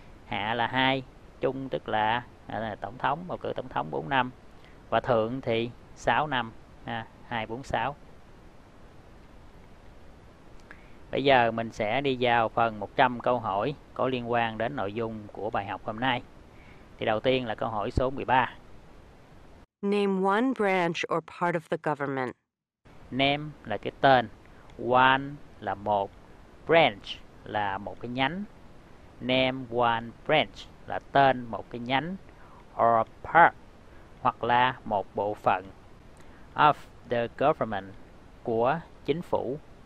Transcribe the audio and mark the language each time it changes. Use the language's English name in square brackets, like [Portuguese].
[Vietnamese] Hạ là 2, trung tức là, tổng thống, bầu cử tổng thống 4 năm. Và thượng thì 6 năm ha, 246. Bây giờ mình sẽ đi vào phần 100 câu hỏi có liên quan đến nội dung của bài học hôm nay. Thì đầu tiên là câu hỏi số 13. [English] Name one branch or part of the government. [Vietnamese] Name là cái tên, one là một, branch là một cái nhánh. [English] Name one branch [Vietnamese] là tên một cái nhánh, [English] or part, [Vietnamese] hoặc là một bộ phận, [English] of the government, [Vietnamese] của chính phủ.